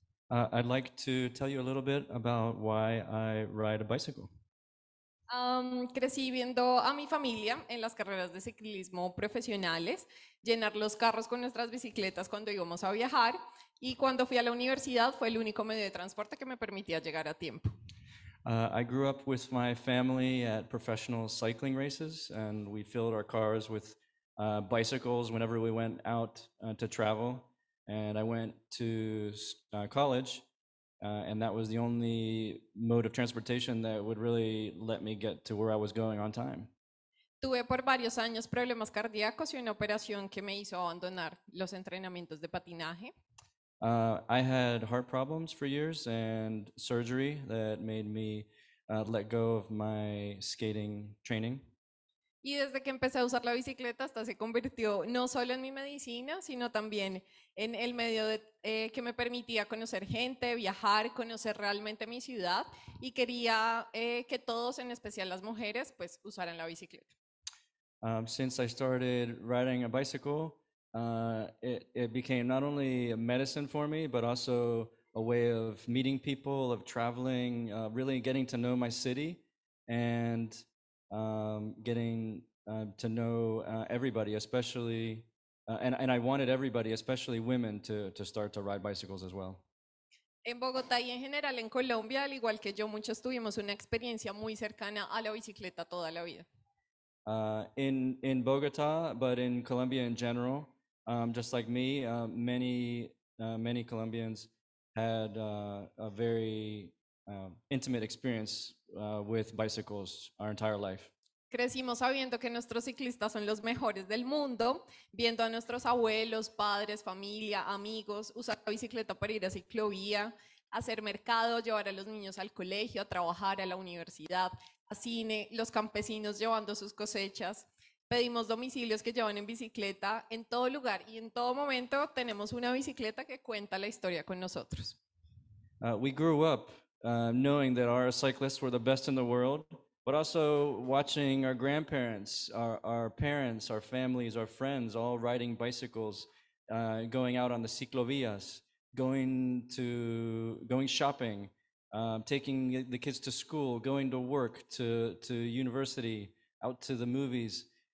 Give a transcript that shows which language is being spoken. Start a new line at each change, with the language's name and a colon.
English: I'd like to tell you a little bit about why I ride a bicycle.
Spanish: Crecí viendo a mi familia en las carreras de ciclismo profesionales, llenar los carros con nuestras bicicletas cuando íbamos a viajar, y cuando fui a la universidad fue el único medio de transporte que me permitía llegar a tiempo.
English: I grew up with my family at professional cycling races, and we filled our cars with bicycles whenever we went out to travel. And I went to college, and that was the only mode of transportation that would really let me get to where I was going on time.
Spanish: Tuve por varios años problemas cardíacos y una operación que me hizo abandonar los entrenamientos de patinaje.
English: I had heart problems for years and surgery that made me let go of my skating training.
Spanish: Y desde que empecé a usar la bicicleta hasta se convirtió no solo en mi medicina, sino también en el medio de, que me permitía conocer gente, viajar, conocer realmente mi ciudad, y quería que todos, en especial las mujeres, pues usaran la bicicleta.
English: Since I started riding a bicycle, it became not only a medicine for me, but also a way of meeting people, of traveling, really getting to know my city, and getting to know everybody, especially, and I wanted everybody, especially women, to start to ride bicycles as well.
Spanish: En Bogotá y en general en Colombia, al igual que yo, muchos tuvimos una experiencia muy cercana a la bicicleta toda la vida.
English: In Bogotá, but in Colombia in general, just like me, many Colombians had a very intimate experience with bicycles our entire life.
Spanish: Crecimos sabiendo que nuestros ciclistas son los mejores del mundo, viendo a nuestros abuelos, padres, familia, amigos, usar la bicicleta para ir a ciclovía, hacer mercado, llevar a los niños al colegio, a trabajar, a la universidad, a cine, los campesinos llevando sus cosechas. Pedimos domicilios que llevan en bicicleta en todo lugar y en todo momento tenemos una bicicleta que cuenta la historia con nosotros.
English: We grew up knowing that our cyclists were the best in the world, but also watching our grandparents, our parents, our families, our friends, all riding bicycles, going out on the ciclovías, going shopping, taking the kids to school, going to work, to university, out to the movies.